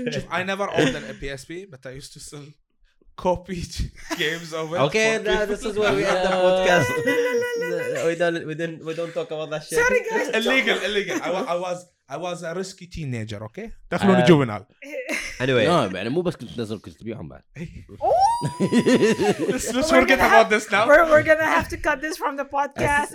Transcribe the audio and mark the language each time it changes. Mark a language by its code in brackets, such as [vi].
[en] I never owned a PSP, but I used to sell copied games of it. Okay, this is where we end the podcast. We don't talk about that shit. Sorry, guys. Illegal. I was a risky teenager, okay? [ar] دخلوني جوبنال. [en] Anyway. [ar] No, يعني مو بس كنت نزل كنت تبيعهم بعد. [en] Let's forget about this now. We're gonna have to cut this from the podcast.